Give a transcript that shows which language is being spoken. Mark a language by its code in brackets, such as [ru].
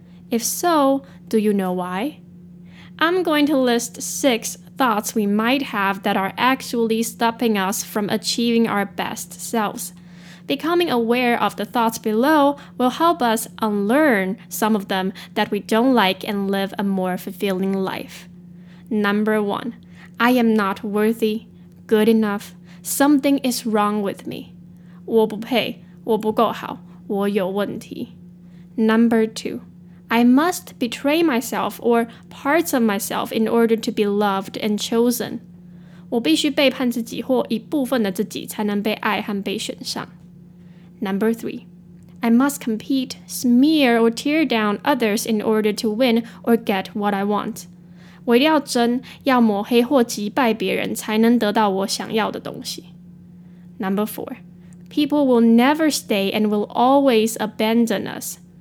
[en] If so, do you know why? I'm going to list 6 thoughts we might have that are actually stopping us from achieving our best selves. Becoming aware of the thoughts below will help us unlearn some of them that we don't like and live a more fulfilling life. Number 1. I am not worthy, good enough, something is wrong with me. [zh] 我不配,我不够好,我有问题. [en] Number 2. I must betray myself or parts of myself in order to be loved and chosen. [zh] 我必须背叛自己或一部分的自己才能被爱和被选上. [en] Number 3. I must compete, smear or tear down others in order to win or get what I want. [zh] 我一定要争,要抹黑或击败别人才能得到我想要的东西. [en] Number 4. People will never stay and will always abandon us.